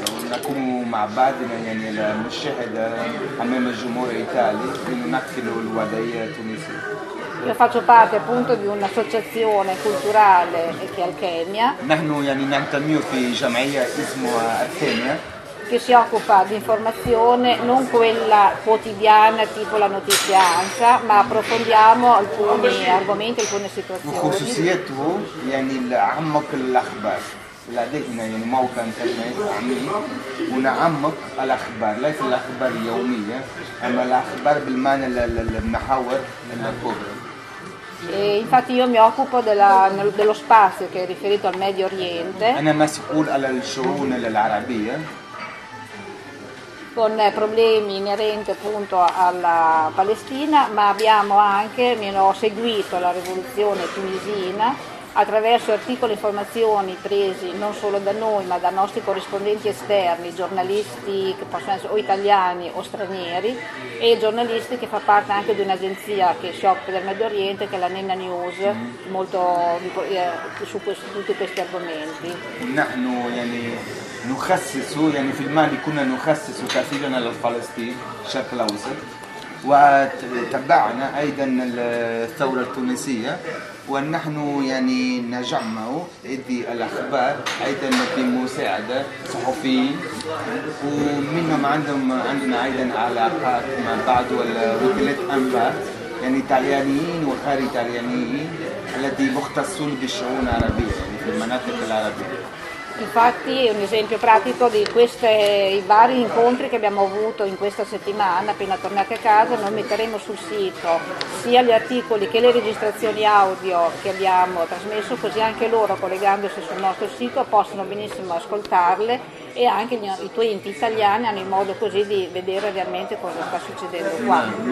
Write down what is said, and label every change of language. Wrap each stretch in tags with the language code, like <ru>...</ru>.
<ar>نكون مع بعضنا يعني المشاهد أمام الجمهور الإيطالي لنمثل الوضعية التونسية.</ar> <it>Io faccio parte appunto di un'associazione culturale che è Alchemia.</it> <ar>نحن يعني ننتميو في جمعية اسمها Alchemia.</ar> <it>Che si occupa di informazione, non quella quotidiana tipo la notizia ANSA, ma approfondiamo alcuni argomenti, alcune situazioni.</it> <ar>وخصوصيته يعني عمق الأخبار. لدينا يعني موقع انترنت عميق ونعمق الاخبار، ليس الاخبار اليوميه، اما الاخبار بالمعنى المحاور الكبرى.</ar> <it>E infatti io mi occupo della, dello spazio che è riferito al Medio Oriente.</it> <ar>انا مسؤول على الشؤون العربيه.</ar> <it>Con problemi inerenti appunto alla Palestina, ma abbiamo anche, ho seguito la rivoluzione tunisina. Attraverso articoli e informazioni presi non solo da noi ma da nostri corrispondenti esterni, giornalisti che possono essere o italiani o stranieri e giornalisti che fa parte anche di un'agenzia che si occupa del Medio Oriente che è la Nena News, molto su questo, tutti questi argomenti.</it> <ar>نحن يعني نخصص يعني في المال كنا نخصص كثيرا للفلسطين بشكل أوسع وتابعنا أيضا الثورة التونسية. ونحن يعني نجمع هذه الأخبار أيضا بمساعدة صحفيين ومنهم عندنا أيضا علاقات مع بعض وكالات أنباء يعني إيطاليين وخارج إيطاليين الذي مختصون بالشؤون العربية يعني في المناطق العربية.</ar> <it>Infatti è un esempio pratico di questi i vari incontri che abbiamo avuto in questa settimana, appena tornate a casa, noi metteremo sul sito sia gli articoli che le registrazioni audio che abbiamo trasmesso, così anche loro collegandosi sul nostro sito possono benissimo ascoltarle e anche i tuoi enti italiani hanno il modo così di vedere realmente cosa sta succedendo qua.</it>